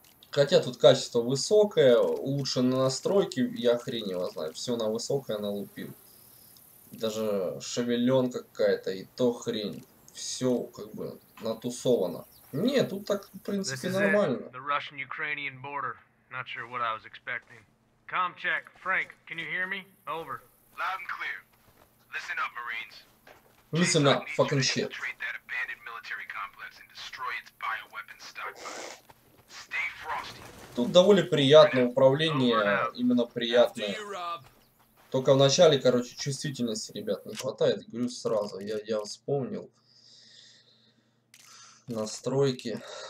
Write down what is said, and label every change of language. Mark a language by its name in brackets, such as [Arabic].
[Russian] Хотя тут качество высокое, улучшены настройки, я хрен его знаю, все на высокое налупил. Даже шевеленка какая-то, и то хрень. Все как бы натусовано. Нет, тут так, в принципе, нормально. [English] The Russian-Ukrainian border. Not sure what I was expecting. Comm check, Frank, can you hear me? Over. Loud and clear. Listen up, Marines. Listen up, fucking shit. Need to infiltrate that abandoned military complex and destroy its bioweapon stockpile. Stay frosty. [Russian] Тут довольно приятно, управление именно приятное. Только в начале, короче, чувствительности, ребят, не хватает. Говорю сразу, я вспомнил настройки.